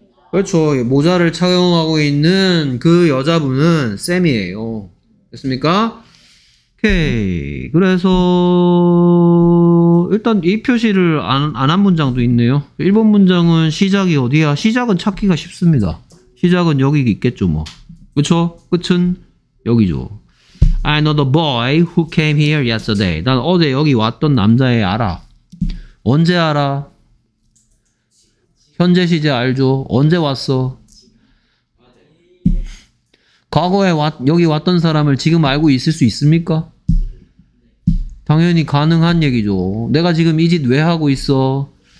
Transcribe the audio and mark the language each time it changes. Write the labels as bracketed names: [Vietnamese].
[Korean] 그렇죠. 모자를 착용하고 있는 그 여자분은 쌤이에요. 됐습니까? 오케이. 그래서 일단 이 표시를 안 한 문장도 있네요. 1번 문장은 시작이 어디야? 시작은 찾기가 쉽습니다. 시작은 여기 있겠죠 뭐. 그렇죠? 끝은 여기죠. [English] I know the boy who came here yesterday. [Korean] 난 어제 여기 왔던 남자애 알아. 언제 알아? 현재 시제 알죠? 언제 왔어? 과거에 여기 왔던 사람을 지금 알고 있을 수 있습니까? 당연히 가능한 얘기죠. 내가 지금 이 짓 왜 하고 있어?